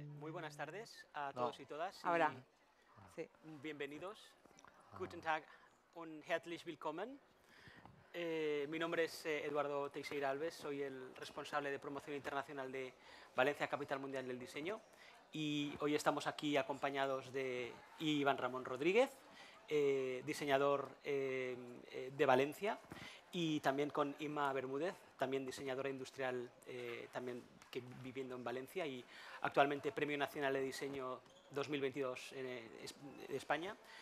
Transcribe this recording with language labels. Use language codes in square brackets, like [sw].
[es] buenas tardes a todos y todas. Ahora. Bienvenidos. [de] Guten Tag und herzlich willkommen. [es] Mi nombre es Eduardo Teixeira Alves, soy el responsable de promoción internacional de Valencia, capital mundial del diseño. Y hoy estamos aquí acompañados de Iván Ramón Rodríguez, diseñador de Valencia, y también con Inma Bermúdez, también diseñadora industrial, también que viviendo en Valencia y actualmente Premio Nacional de Diseño 2022 en España.